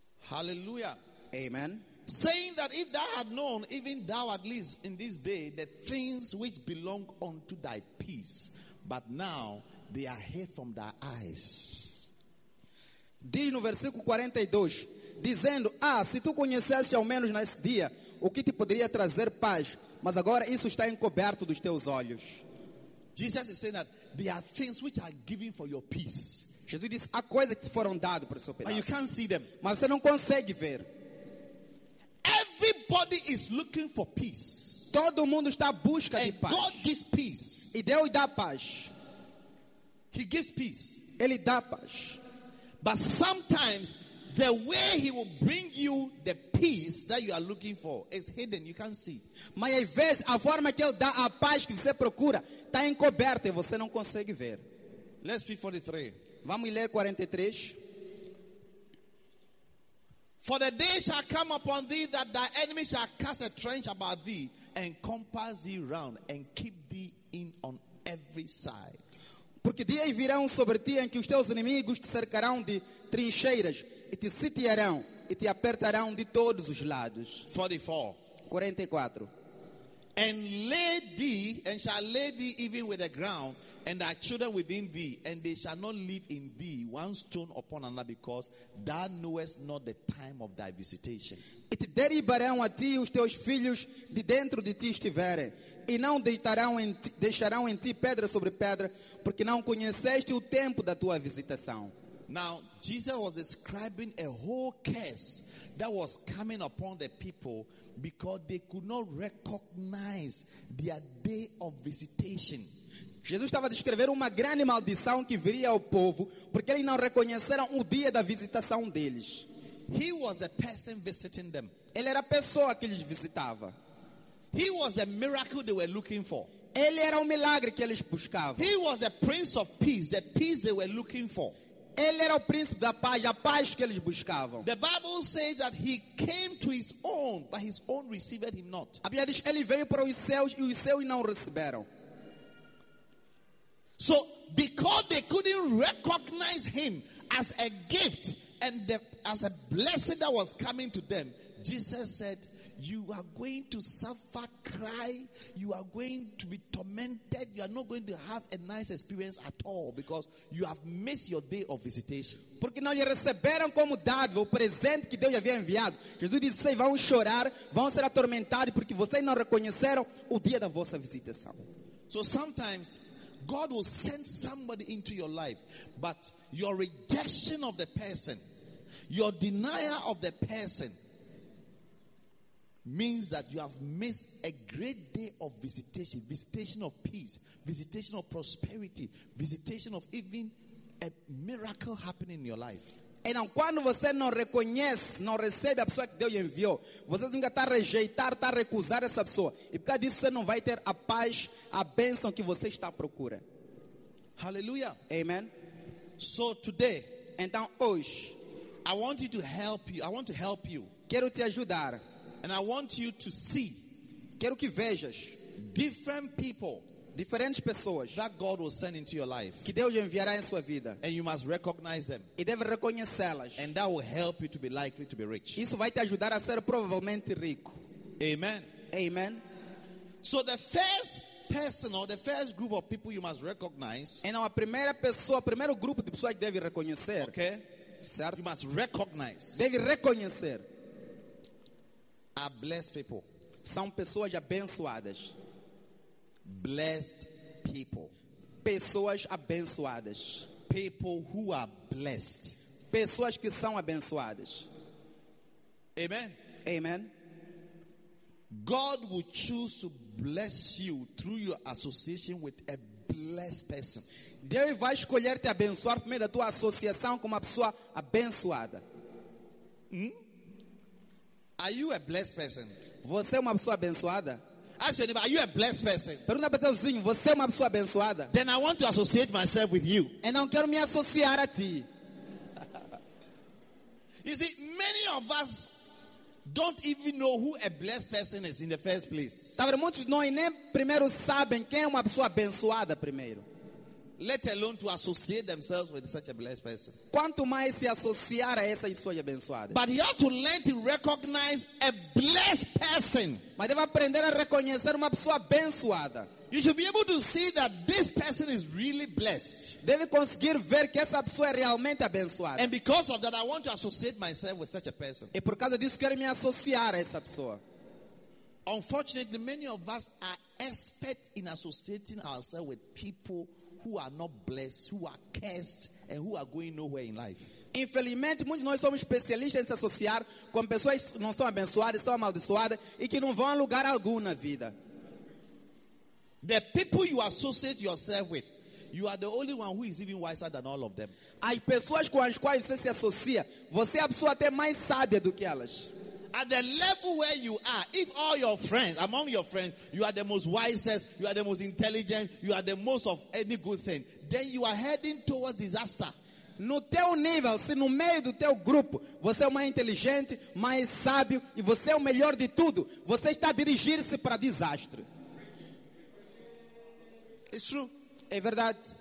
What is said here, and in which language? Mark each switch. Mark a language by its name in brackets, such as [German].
[English] Hallelujah. Amen. Saying that if thou had known, even thou at least in this day, the things which belong unto thy peace, but now they are hid from thy eyes. [Portuguese] Diz no versículo 42, dizendo, ah, se tu conhecesse ao menos nesse dia, o que te poderia trazer paz, mas agora isso está encoberto dos teus olhos. [English] Jesus is saying that there are things which are given for your peace. [Portuguese] Jesus disse, há coisas que foram dadas para o seu pedaço. [English] But you can't see them. [Portuguese] Mas você não consegue ver. [English] Everybody is looking for peace. [Portuguese] Todo mundo está à busca [English] and [Portuguese] de paz. [English] God gives peace. [Portuguese] E Deus dá paz. [English] He gives peace. [Portuguese] Ele dá paz. [English] But sometimes the way he will bring you the peace that you are looking for is hidden. You can't see. [Portuguese] Mas às vezes a forma que ele dá a paz que você procura está encoberta e você não consegue ver. [English] Let's read 43. [Portuguese] Vamos ler 43. [English] For the day shall come upon thee that thy enemy shall cast a trench about thee and compass thee round and keep thee in on every side. [Portuguese] Porque dias virão sobre ti em que os teus inimigos te cercarão de trincheiras e te sitiarão e te apertarão de todos os lados. [English] 44. [Portuguese] 44. [English] And lay thee, and shall lay thee even with the ground, and thy children within thee, and they shall not leave in thee one stone upon another, because thou knowest not the time of thy visitation. [Portuguese] E te derribarão a ti os teus filhos de dentro de ti estiverem, e não deixarão em ti pedra sobre pedra, porque não conheceste o tempo da tua visitação. [English] Now, Jesus was describing a whole curse that was coming upon the people because they could not recognize their day of visitation. [Portuguese] Jesus estava a descrever uma grande maldição que viria ao povo porque eles não reconheceram o dia da visitação deles. [English] He was the person visiting them. [Portuguese] Ele era a pessoa que eles visitava. [English] He was the miracle they were looking for. [Portuguese] Ele era o milagre que eles buscavam. [English] He was the Prince of Peace, the peace they were looking for. [Portuguese] Ele era o príncipe da paz, a paz que eles buscavam. [English] The Bible says that he came to his own, but his own received him not. [Portuguese] A Bíblia diz que ele veio para os seus não o receberam. [English] So, because they couldn't recognize him as a gift and the, as a blessing that was coming to them, Jesus said, you are going to suffer, cry, you are going to be tormented, you are not going to have a nice experience at all because you have missed your day of visitation. [Portuguese] Porque não lhe receberam como dádiva o presente que Deus havia enviado. Jesus disse, vocês vão chorar, vão ser atormentados porque vocês não reconheceram o dia da vossa visitação. [English] So sometimes God will send somebody into your life, but your rejection of the person, your denial of the person, means that you have missed a great day of visitation, visitation of peace, visitation of prosperity, visitation of even a miracle happening in your life. [Portuguese] Então, quando você não reconhece, não recebe a pessoa que Deus enviou, você tem que estar a rejeitar, estar a recusar essa pessoa. E por causa disso, você não vai ter a paz, a bênção que você está à procura. [English] Hallelujah. Amen. So, today, [Portuguese] então, hoje, [English] I want you to help you. I want to help you. [Portuguese] Quero te ajudar. [English] And I want you to see. [Portuguese] Quero que vejas. [English] Different people. [Portuguese] Diferentes pessoas [English] that God will send into your life, [Portuguese] que Deus enviará em sua vida, [English] and you must recognize them, [Portuguese] e deve reconhecê-las, [English] and that will help you to be likely to be rich. [Portuguese] Isso vai te ajudar a ser provavelmente rico. [English] Amen. [Portuguese] Amen. [English] So the first person or the first group of people you must recognize, [Portuguese] então a primeira pessoa, o primeiro grupo de pessoas que deve reconhecer, [English] okay, [Portuguese] certo, [English] you must recognize, [Portuguese] deve reconhecer, [English] are blessed people, [Portuguese] são pessoas abençoadas. [English] Blessed people. [Portuguese] Pessoas abençoadas. [English] People who are blessed. [Portuguese] Pessoas que são abençoadas. [English] Amen. [Portuguese] Amen. [English] God will choose to bless you through your association with a blessed person. [Portuguese] Deus vai escolher te abençoar por meio da tua associação com uma pessoa abençoada. [English] Hmm? Are you a blessed person? [Portuguese] Você é uma pessoa abençoada? [English] Ask your neighbor, are you a blessed person? [Portuguese] Pergunta para teu vizinho, você é uma pessoa abençoada? [English] Then I want to associate myself with you. [Portuguese] E não quero me associar a ti. [English] You see, many of us don't even know who a blessed person is in the first place. [Portuguese] Talvez muitos não nem primeiro sabem quem é uma pessoa abençoada primeiro. [English] Let alone to associate themselves with such a blessed person. [Portuguese] Quanto mais se associar a essa pessoa abençoada. [English] But you have to learn to recognize a blessed person. [Portuguese] Mas deve aprender a reconhecer uma pessoa abençoada. [English] You should be able to see that this person is really blessed. [Portuguese] Deve conseguir ver que essa pessoa é realmente abençoada. [English] And because of that, I want to associate myself with such a person. [Portuguese] E por causa disso quero me associar a essa pessoa. [English] Unfortunately, many of us are expert in associating ourselves with people who are not blessed, who are cursed, and who are going nowhere in life. [Portuguese] Infelizmente, muitos nós somos especialistas em se associar com pessoas que não são abençoadas, são amaldiçoadas e que não vão a lugar algum na vida. [English] The people you associate yourself with, you are the only one who is even wiser than all of them. [Portuguese] As pessoas com as quais você se associa, você é a pessoa até mais sábia do que elas. [English] At the level where you are, if all your friends, among your friends, you are the most wisest, you are the most intelligent, you are the most of any good thing, then you are heading towards disaster. [Portuguese] No teu nível, se no meio do teu grupo, você é o mais inteligente, mais sábio e você é o melhor de tudo, você está a dirigir-se para desastre. [English] It's true. [Portuguese] É verdade.